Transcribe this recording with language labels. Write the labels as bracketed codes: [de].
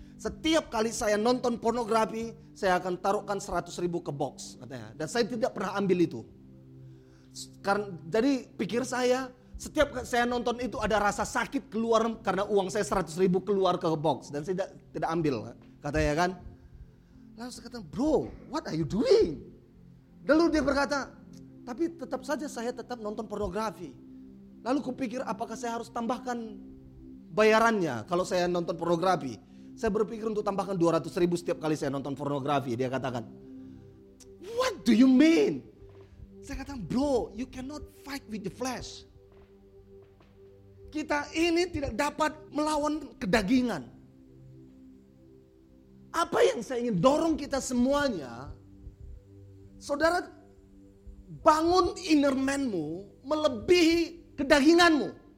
[id] Setiap kali saya nonton pornografi, saya akan taruhkan 100.000 ke box. Katanya. Dan saya tidak pernah ambil itu. Jadi pikir saya, setiap saya nonton itu ada rasa sakit keluar karena uang saya 100.000 keluar ke box. Dan saya tidak ambil, katanya kan. Lalu saya kata, [en] bro, what are you doing? [id] Lalu dia berkata, tapi tetap saja saya tetap nonton pornografi. Lalu kupikir apakah saya harus tambahkan bayarannya kalau saya nonton pornografi. Saya berpikir untuk tambahkan 200.000 setiap kali saya nonton pornografi. Dia katakan, [en] what do you mean? [id] Saya katakan, [en] bro, you cannot fight with the flesh. [id] Kita ini tidak dapat melawan kedagingan. Apa yang saya ingin dorong kita semuanya, saudara, bangun inner man-mu melebihi kedaginganmu.